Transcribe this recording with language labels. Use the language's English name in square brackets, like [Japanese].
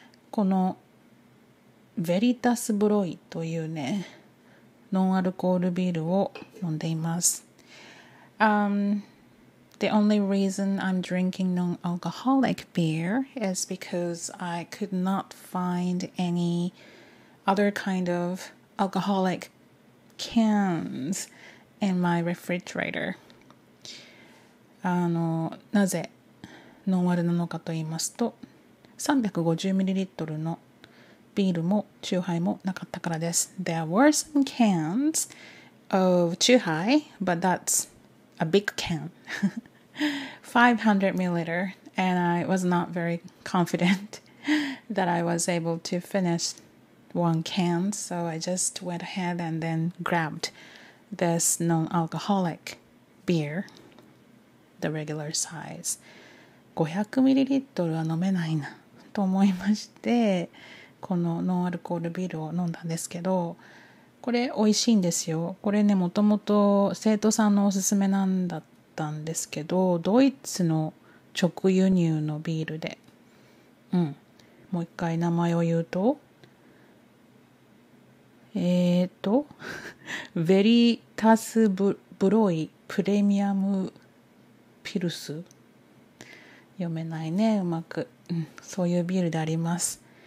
[Japanese] このベリタスブロイというね、ノンアルコールビールを飲んでいます。 [English] The only reason I'm drinking non-alcoholic beer is because I could not find any other kind of alcoholic cans in my refrigerator. [Japanese] なぜノンアルなのかと言いますと、350ml のビールもチューハイもなかったからです。 [English] There were some cans of チューハイ, but that's a big can. 500ml, and I was not very confident that I was able to finish one can, so I just went ahead and then grabbed this non-alcoholic beer, the regular size. [Japanese] 500ml は飲めないなと思いまして、このノンアルコールビールを飲んだんですけど、これ美味しいんですよ。これね、もともと生徒さんのおすすめなんだって。たんですけど、ドイツの直輸入のビールで、うん、もう一回名前を言うと、ヴェリタスブロイプレミアムピルス、読めないね、うまく、うん、そういうビールであります。